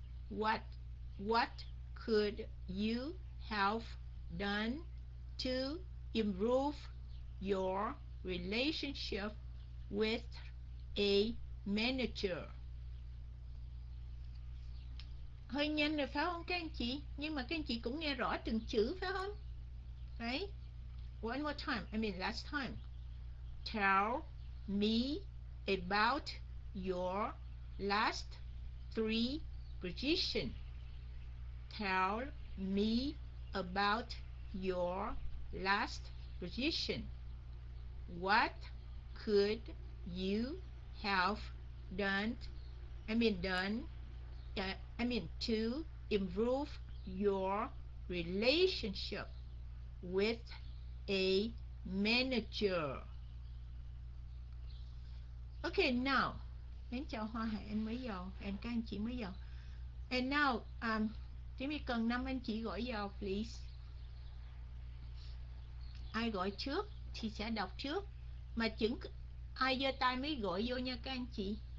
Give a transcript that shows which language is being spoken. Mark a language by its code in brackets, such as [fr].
[en] What could you have done to improve your relationship with a manager? [vi] Hơi nhanh rồi phải không các anh chị? Nhưng mà các anh chị cũng nghe rõ từng chữ phải không? [en] Right? One more time. Last time. Tell me about your last three position. Tell me about your last position. What could you have done to improve your relationship with a manager? Okay, now, [vi] em chào Hoa Hải, em mới vào, em các anh chị mới vào. [en] And now, [vi] Tiếng Việt cần 5 anh chị gọi vào, please. Ai gọi trước thì sẽ đọc trước. Mà chứng ai giơ tay mới gọi vô nha các anh chị.